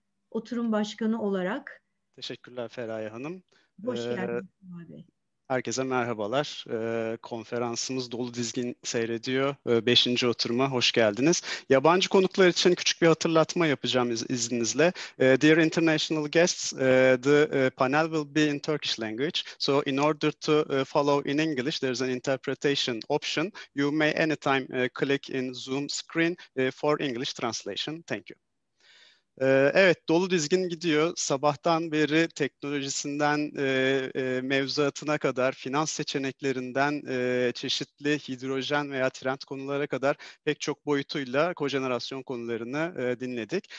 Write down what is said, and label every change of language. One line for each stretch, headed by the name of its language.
Turkish: Oturum başkanı olarak. Teşekkürler Feraye Hanım. Hoş geldiniz abi. Herkese merhabalar. Konferansımız dolu dizgin seyrediyor. Beşinci oturuma hoş geldiniz. Yabancı konuklar için küçük bir hatırlatma yapacağım izninizle.
English: Dear international guests, the panel will be in Turkish language. So in order to follow in English, there's an interpretation option. You may anytime click in Zoom screen for English translation. Thank you.
Turkish: Evet, dolu dizgin gidiyor. Sabahtan beri teknolojisinden mevzuatına kadar, finans seçeneklerinden çeşitli hidrojen veya trend konulara kadar pek çok boyutuyla kojenerasyon konularını dinledik.